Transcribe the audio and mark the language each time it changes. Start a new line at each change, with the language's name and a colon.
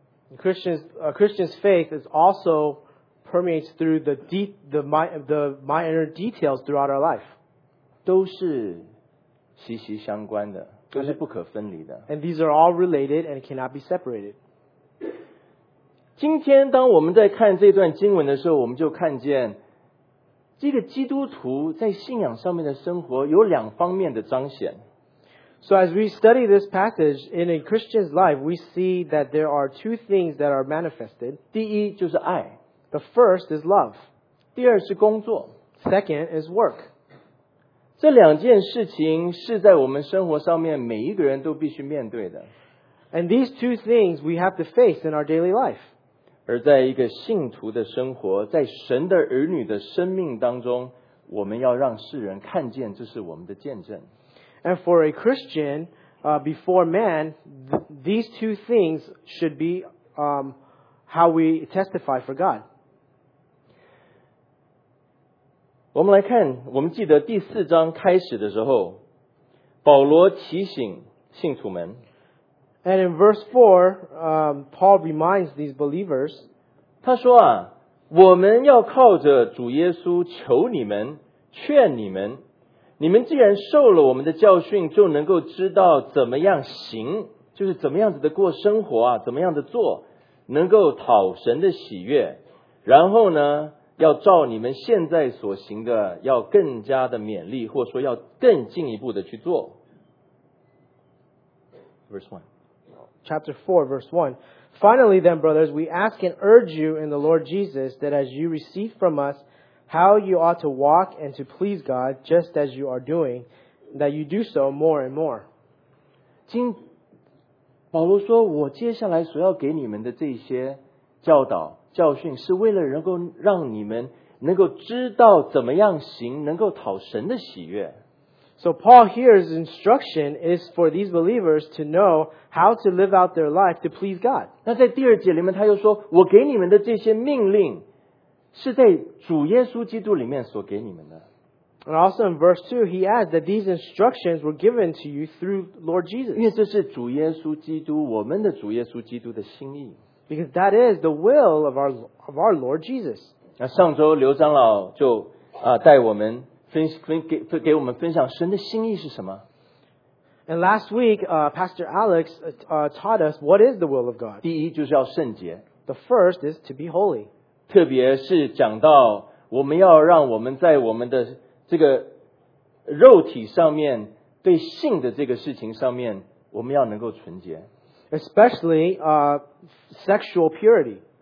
English: A Christian's faith is also permeates through the minor details throughout our life.
Chinese: 都是息息相关的，都是不可分离的。
English: And these are all related and cannot be separated.
Chinese: 今天当我们在看这段经文的时候，我们就看见这个基督徒在信仰上面的生活有两方面的彰显。
English: So as we study this passage in a Christian's life, we see that there are two things that are manifested.
Chinese: 第一就是爱。
English: The first is love.
Chinese: 第二是工作。
English: Second is work.
Chinese: 这两件事情是在我们生活上面每一个人都必须面对的。
English: And these two things we have to face in our daily life.
Chinese: 而在一个信徒的生活，在神的儿女的生命当中，我们要让世人看见这是我们的见证。
English: And for a Christian, before man, these two things should be how we testify for God.
Chinese: 我们来看，我们记得第四章开始的时候，保罗提醒信徒们。
English: And in verse 4, Paul reminds these believers.
Chinese: 他说啊，我们要靠着主耶稣求你们，劝你们。你们既然受了我们的教训，就能够知道怎么样行，就是怎么样子的过生活啊，怎么样的做，能够讨神的喜悦。然后呢，要照你们现在所行的要更加的勉励，或者说要更进一步的去做。
English: Chapter 4 verse 1. Finally then, brothers, we ask and urge you in the Lord Jesus that as you receive from us how you ought to walk and to please God just as you are doing, that you do so more and more.
Chinese: 保罗说，我接下来所要给你们的这些教导教训，是为了能够让你们能够知道怎么样行，能够讨神的喜悦。
English: So Paul here's instruction is for these believers to know how to live out their life to please God.
Chinese: 那在第二节里面，他又说，我给你们的这些命令，是在主耶稣基督里面所给你们的。
English: And also in verse 2, he adds that these instructions were given to you through Lord Jesus.
Chinese: 因为这是主耶稣基督，我们的主耶稣基督的心意。
English: Because that is the will of our Lord Jesus.
Chinese: 那上周刘长老就带我们给我们分享神的心意是什么。
English: And last week, Pastor Alex taught us what is the will of God.
Chinese: 第一就是要圣洁。
English: The first is to be holy.
Chinese: 特别是讲到我们要让我们在我们的这个肉体上面对性的这个事情上面，我们要能够纯洁。
English: Especially sexual purity.